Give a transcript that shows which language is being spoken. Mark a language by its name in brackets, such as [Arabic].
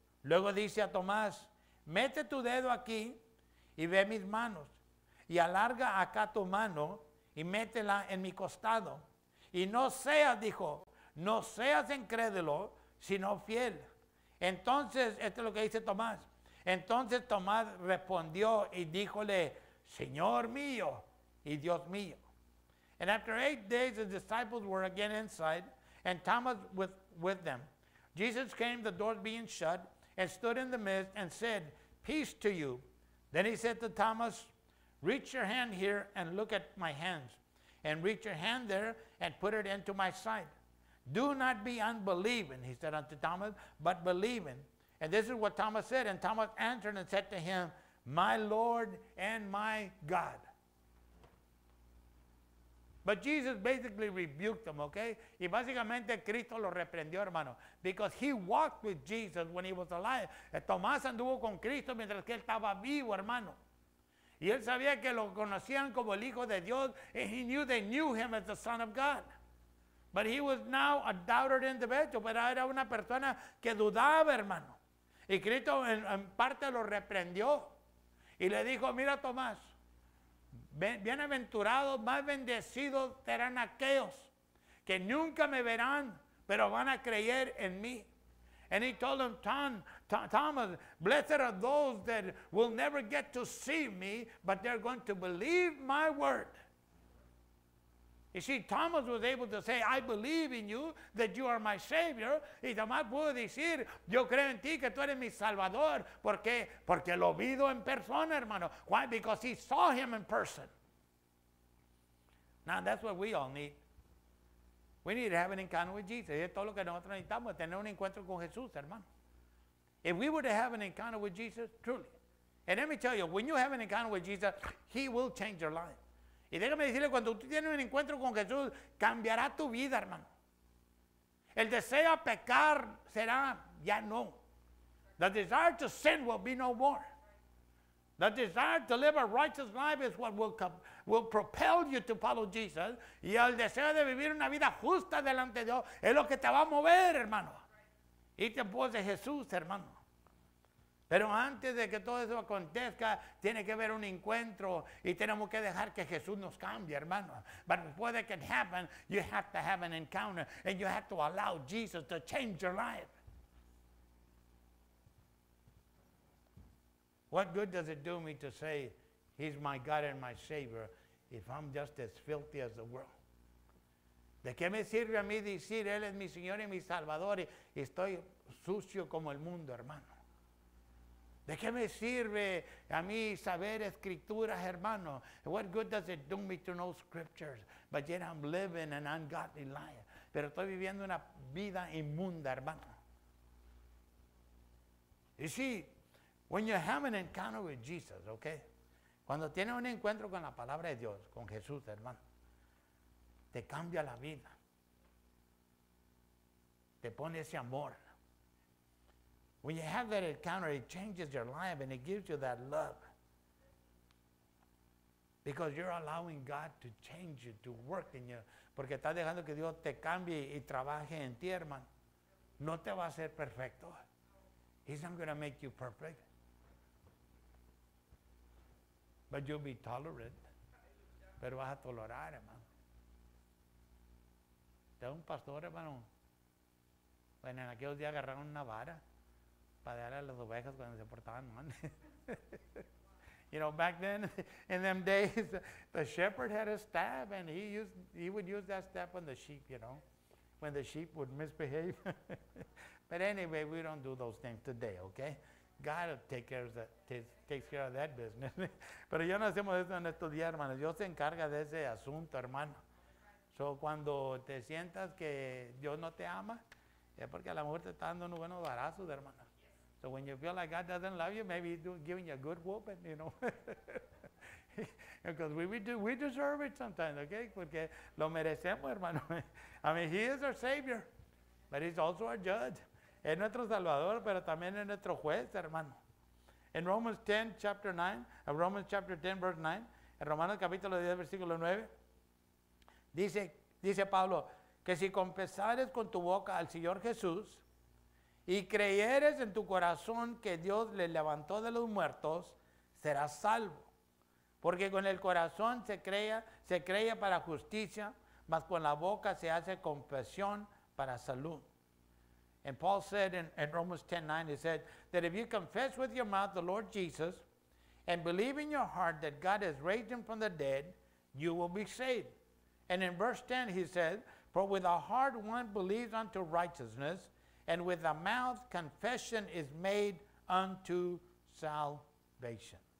[Spanish] Luego dice a Tomás, mete tu dedo aquí y ve mis manos y alarga acá tu mano y métela en mi costado. Y no seas, dijo, no seas incrédulo, sino fiel. Entonces, esto es lo que dice Tomás. Entonces Tomás respondió y díjole, Señor mío y Dios mío. [English] And after 8 days, the disciples were again inside and Thomas with them. Jesus came, the doors being shut, and stood in the midst and said, peace to you. Then he said to Thomas, reach your hand here and look at my hands, and reach your hand there and put it into my side. Do not be unbelieving, he said unto Thomas, but believing. And this is what Thomas said. And Thomas answered and said to him, my Lord and my God. But Jesus basically rebuked them, okay? [Spanish] Y básicamente Cristo lo reprendió, hermano. [English] Because he walked with Jesus when he was alive. [Spanish] Tomás anduvo con Cristo mientras que él estaba vivo, hermano. Y él sabía que lo conocían como el Hijo de Dios. [English] And he knew they knew him as the Son of God. But he was now a doubter in the bed. [Spanish] Pero era una persona que dudaba, hermano. Y Cristo en parte lo reprendió. Y le dijo, mira, Tomás. Bienaventurados, más bendecidos serán aquellos que nunca me verán, pero van a creer en mí. [English] And he told him, Thomas, blessed are those that will never get to see me, but they're going to believe my word. You see, Thomas was able to say, I believe in you, that you are my Savior. [Spanish] Y Tomás pudo decir, yo creo en ti, que tú eres mi Salvador. ¿Por qué? Porque lo vi en persona, hermano. [English] Why? Because he saw him in person. Now, that's what we all need. We need to have an encounter with Jesus. [Spanish] Y es todo lo que nosotros necesitamos, tener un encuentro con Jesús, hermano. [English] If we were to have an encounter with Jesus, truly. And let me tell you, when you have an encounter with Jesus, he will change your life. [Spanish] Y déjame decirle, cuando tú tienes un encuentro con Jesús, cambiará tu vida, hermano. El deseo a pecar será ya no. [English] The desire to sin will be no more. The desire to live a righteous life is what will propel you to follow Jesus. [Spanish] Y el deseo de vivir una vida justa delante de Dios es lo que te va a mover, hermano. Y te pose Jesús, hermano. Pero antes de que todo eso acontezca, tiene que haber un encuentro y tenemos que dejar que Jesús nos cambie, hermano. [English] But before that can happen, you have to have an encounter and you have to allow Jesus to change your life. What good does it do me to say he's my God and my Savior if I'm just as filthy as the world? [Spanish] ¿De qué me sirve a mí decir Él es mi Señor y mi Salvador y estoy sucio como el mundo, hermano? ¿De qué me sirve a mí saber escrituras, hermano? [English] What good does it do me to know scriptures? But yet I'm living an ungodly life. [Spanish] Pero estoy viviendo una vida inmunda, hermano. [English] You see, when you have an encounter with Jesus, okay? [Spanish] Cuando tienes un encuentro con la palabra de Dios, con Jesús, hermano, te cambia la vida. Te pone ese amor. [English] When you have that encounter, it changes your life and it gives you that love. Because you're allowing God to change you, to work in you. [Spanish] Porque estás dejando que Dios te cambie y trabaje en ti, hermano. No te va a hacer perfecto. [English] He's not going to make you perfect. But you'll be tolerant. [Spanish] Pero vas a tolerar, hermano. Tengo un pastor, hermano. Bueno, en aquellos días agarraron una vara. Para darle a las ovejas cuando se portaban mal. [English] You know, back then, in them days, the shepherd had a staff and he would use that staff on the sheep, you know, when the sheep would misbehave. But anyway, we don't do those things today, okay? God will takes care of that business. [Spanish] Pero ya no hacemos eso en estos días, hermanos. Dios se encarga de ese asunto, hermano. So cuando te sientas que Dios no te ama, es porque a lo mejor te está dando unos buenos barazos, hermano. [English] So when you feel like God doesn't love you, maybe he's giving you a good whooping, you know. Because we deserve it sometimes, okay? [Spanish] Porque lo merecemos, hermano. [English] I mean, he is our Savior, but he's also our judge. [Spanish] Es nuestro Salvador, pero también es nuestro juez, hermano. [English] In Romans 10, chapter 9, Romans chapter 10, verse 9, [Spanish] en Romanos capítulo 10, versículo 9, dice Pablo, que si confesares con tu boca al Señor Jesús, y creyeres en tu corazón que Dios le levantó de los muertos, serás salvo. Porque con el corazón se crea para justicia, mas con la boca se hace confesión para salud. [English] And Paul said in Romans 10:9, he said, that if you confess with your mouth the Lord Jesus, and believe in your heart that God has raised him from the dead, you will be saved. And in verse 10 he said, for with a heart one believes unto righteousness, and with the mouth, confession is made unto salvation.